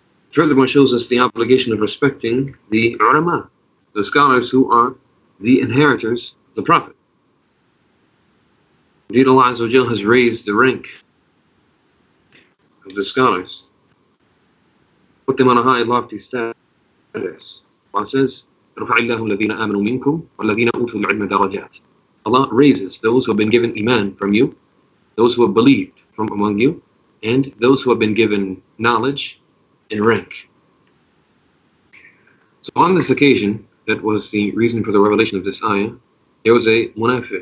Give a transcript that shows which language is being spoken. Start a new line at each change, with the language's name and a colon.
English: Furthermore, shows us the obligation of respecting the ulama, the scholars who are the inheritors of the Prophet. Indeed, Allah azza wa jalla has raised the rank of the scholars, put them on a high, lofty status. Allah says,
Arabic: رفع الله الذين آمنوا منكم والذين أوتوا العلم درجات.
English: Allah raises those who have been given iman from you, those who have believed from among you, and those who have been given knowledge and rank. So on this occasion, that was the reason for the revelation of this ayah, there was a munafiq.